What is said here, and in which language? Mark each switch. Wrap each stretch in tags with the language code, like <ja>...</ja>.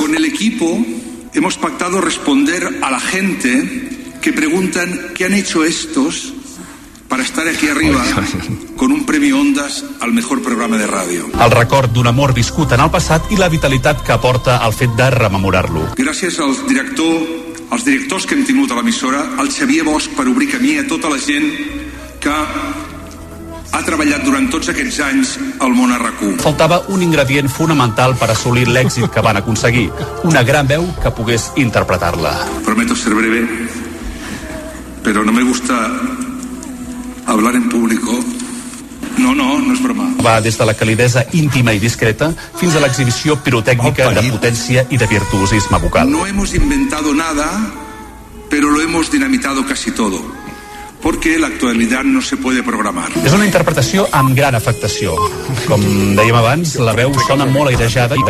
<es>Con el equipo hemos pactado responder a la gente que preguntan qué han hecho estos para estar aquí arriba con un premio Ondas al mejor programa de radio.</es> <ca>El record d'un amor viscut en el passat i la vitalitat que aporta el fet de rememorar-lo. Gràcies al director, als directors que hem tingut a l'emissora, al Xavier Bosch per obrir camí a tota la gent que ha treballat durant tots aquests anys al món RAC1. Faltava un ingredient fonamental per assolir l'èxit que van aconseguir, una gran veu que pogués interpretar-la.</ca> <es>Prometo ser breve,</es> <ca>però</ca> <es>no me gusta hablar en público.</es> <ca>No és broma. Va des de la calidesa íntima i discreta fins a l'exhibició pirotècnica de potència i de virtuosisme vocal.</ca> <es>No hemos inventado nada, pero lo hemos dinamitado casi todo. Porque la actualidad no se puede programar.</es> <ca>És una interpretació amb gran afectació. Com dèiem abans, la veu sona molt airejada i de...</ca>